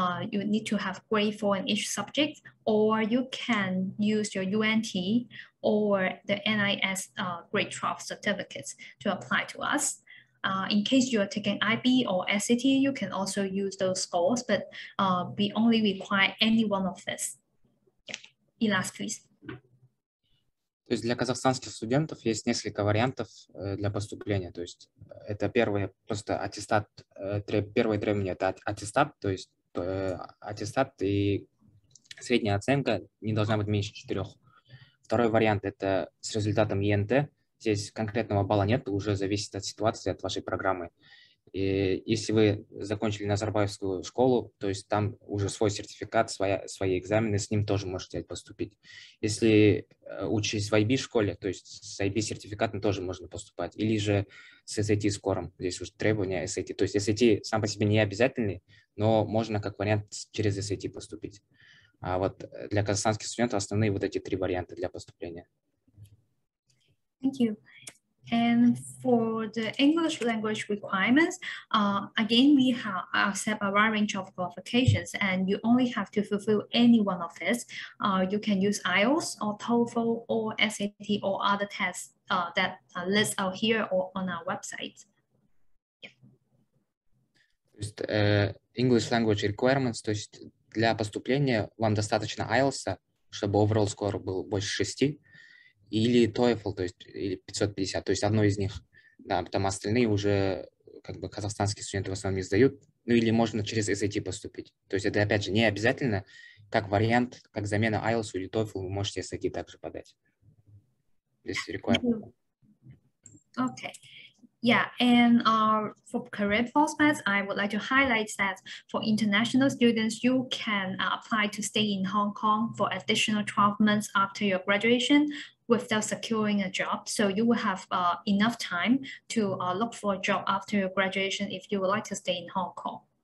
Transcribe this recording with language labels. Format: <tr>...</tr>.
<en>You need to have grade 4 in each subject, or you can use your UNT or the NIS grade 12 certificates to apply to us. In case you are taking IB or SAT, you can also use those scores, but we only require any one of this. Илас, please.</en> <ru>То есть для казахстанских студентов есть несколько вариантов для поступления. То есть это первый просто аттестат, первое требование – это аттестат, то есть аттестат и средняя оценка не должна быть меньше 4. Второй вариант – это с результатом ЕНТ. Здесь конкретного балла нет, уже зависит от ситуации, от вашей программы. И если вы закончили Назарбаевскую школу, то есть там уже свой сертификат, свои экзамены, с ним тоже можете поступить. Если учились в IB-школе, то есть с IB-сертификатом тоже можно поступать. Или же с SAT-скором, здесь уже требования SAT. То есть SAT сам по себе не обязательный, но можно как вариант через SAT поступить. А вот для казахстанских студентов основные вот эти три варианта для поступления.</ru> <en>Thank you. And for the English language requirements, again, we have accept a wide range of qualifications, and you only have to fulfill any one of these. You can use IELTS or TOEFL or SAT or other tests that are listed out here or on our website. Yeah. English language requirements,</en> <ru>то есть для поступления вам достаточно IELTS, чтобы</ru> <en>overall score</en> <ru>был больше 6. Или TOEFL, то есть или 550, то есть одно из них. Да, там остальные уже как бы казахстанские студенты в основном не сдают. Ну или можно через SAT поступить. То есть это, опять же, не обязательно. Как вариант, как замена IELTS или TOEFL, вы можете SAT также подать. Здесь рекомендую.</ru> <en>Okay. Yeah, and for career prospects, I would like to highlight that for international students, you can apply to stay in Hong Kong for additional 12 months after your graduation without securing a job. So you will have enough time to look for a job after your graduation if you would like to stay in Hong Kong.</en>